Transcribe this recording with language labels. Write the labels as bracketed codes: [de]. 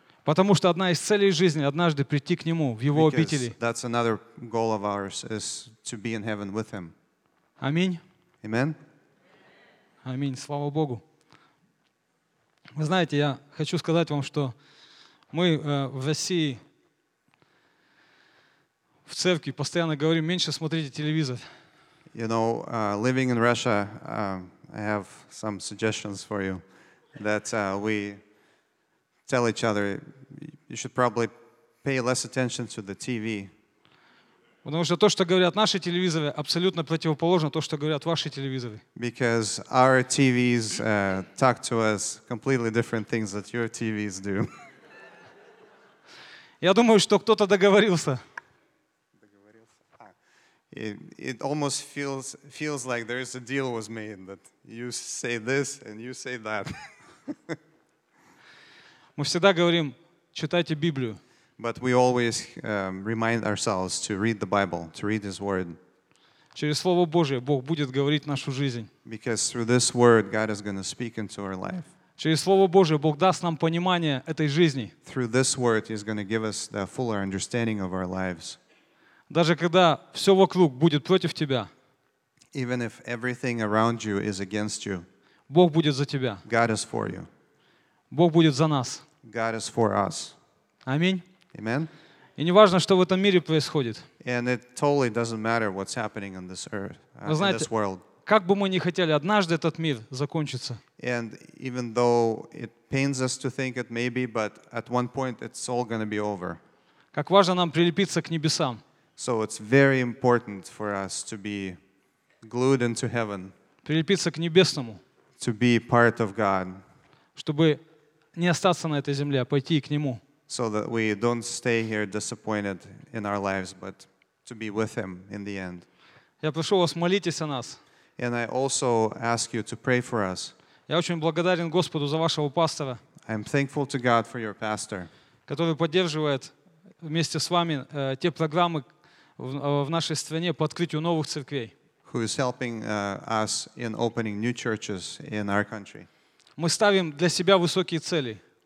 [ru] Потому что одна из целей жизни однажды прийти к Нему в Его обители. [en] Because that's another goal of ours, is to be in heaven with Him. [ru] Аминь. [en] Amen. [ru] Аминь. Слава Богу. Вы знаете, я хочу сказать вам, что мы в России в церкви постоянно говорим: меньше смотрите телевизор. [en] You know, living in Russia, I have some suggestions for you that we tell each other you should probably pay less attention to the TV. [ru] Потому что то, что говорят наши телевизоры, абсолютно противоположно то, что говорят ваши телевизоры. [en] Because our TVs talk to us completely different things that your TVs do. [ru] Я думаю, что кто-то договорился. [en] It almost feels like there is a deal was made that you say this and you say that. [ru] Мы всегда говорим: читайте Библию. [en] But we always remind ourselves to read the Bible, to read His Word. [ru] Через Слово Божие Бог будет говорить нашу жизнь. [en] Because through this Word, God is going to speak into our life. [ru] Через Слово Божие Бог даст нам понимание этой жизни. [en] Through this Word, He is going to give us the fuller understanding of our lives. [ru] Даже когда все вокруг будет против тебя, [en] even if everything around you is against you, [ru] Бог будет за тебя. [en] God is for you. [ru] Бог будет за нас. [en] God is for us. [ru] Аминь. [en] Amen. [ru] И не важно, что в этом мире происходит. [en] And it totally doesn't matter what's happening on this earth, [ru] вы знаете, [en] in this world. [ru] Как бы мы ни хотели, однажды этот мир закончится. [en] And even though it pains us to think it may be, but at one point it's all going to be over. [ru] Как важно нам прилепиться к небесам. [en] So it's very important for us to be glued into heaven. [ru] Прилепиться к небесному. [en] To be part of God. [ru] Чтобы не остаться на этой земле, а пойти к Нему. [en] So that we don't stay here disappointed in our lives, but to be with Him in the end. [ru] Я прошу вас, молитесь о нас. [en] And I also ask you to pray for us. [ru] Я очень благодарен Господу за вашего пастора. [en] I'm thankful to God for your pastor. [ru] Который поддерживает вместе с вами те программы в нашей стране по открытию новых церквей. [en] Who is helping us in opening new churches in our country. [ru] Мы ставим для себя высокие цели.